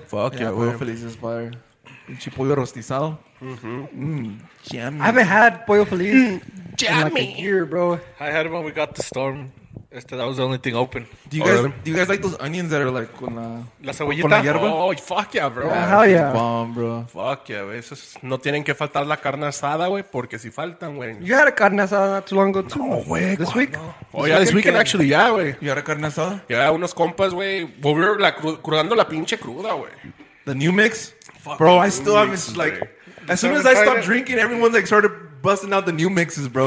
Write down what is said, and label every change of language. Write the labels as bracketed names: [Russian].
[English] Fuck yeah, puro feliz is fire. [Spanish] Pinche pollo rostizado. [English] Mm-hmm. Mm, I haven't had pollo feliz in like a year, bro. I had it when we got the storm. That was the only thing open. Do you guys like those onions that are like [Spanish] con la... La cebollita? [English] Oh, fuck yeah, bro. Yeah, hell yeah. Bomb, bro. Fuck yeah, güey. [Spanish] No tienen que faltar la carne asada, güey, porque si faltan, güey. [English] You had a carne asada not too long ago, too. [Spanish] No, güey. [English] This week? No. Oh, yeah, this weekend, actually, yeah, güey. You had a carne asada? [Spanish] Yeah, unos compas, güey. [English] We were [Spanish] curando la pinche cruda, güey. [English] The new mix? Fuck. Bro, I still have this, like... As soon as I stopped drinking, everyone, like, started... Busting out the new mixes, bro.